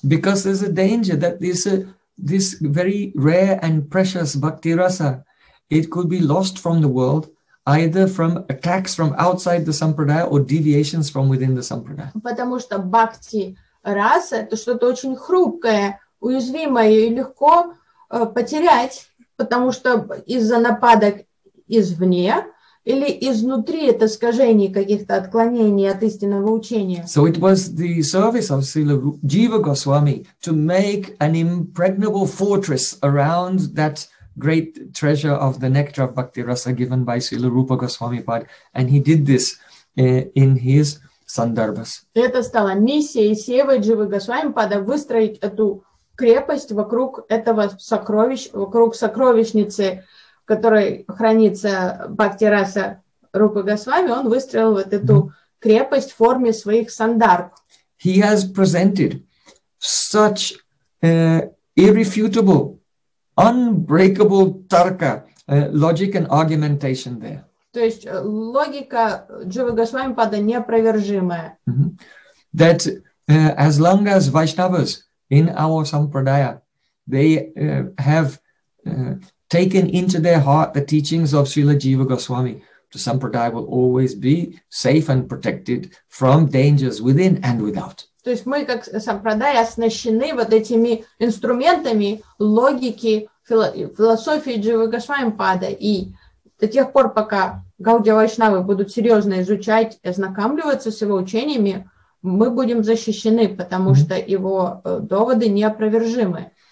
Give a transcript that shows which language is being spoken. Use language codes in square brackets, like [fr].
[en] Because there's a danger that this very rare and precious bhakti rasa, it could be lost from the world, either from attacks from outside the sampradaya or deviations from within the sampradaya. [ru] Потому что бхакти раса это что-то очень хрупкое, уязвимое и легко потерять, потому что из-за нападок извне или изнутри это искажений каких-то отклонений от истинного учения. [en] So it was the service of Srila Jiva Goswami to make an impregnable fortress around that great treasure of the nectar of Bhakti Rasa given by Srila Rupa Goswami Pad, and he did this in his sandarbhas. [ru] Это стала миссией Севы Дживы Госвами Пада выстроить эту крепость вокруг этого сокровища, вокруг сокровищницы, в которой хранится Бхакти Раса Рупа Госвами. Он выстроил вот эту крепость в форме своих сандарб. [en] He has presented such irrefutable, unbreakable tarka, logic and argumentation there. [ru] То есть логика Джива Госвами Пада неопровержимая. [en] That as long as Vaishnavas in our sampradaya, they have taken into their heart the teachings of Srila Jiva Goswami, the sampradaya will always be safe and protected from dangers within and without. [ru] То есть мы как сампрадая оснащены вот этими инструментами логики, философии Дживы Госвами Пада, и до тех пор, пока Гаудия Вайшнавы будут серьезно изучать и ознакомливаться с его учениями, мы будем защищены, потому что его доводы неопровержимы.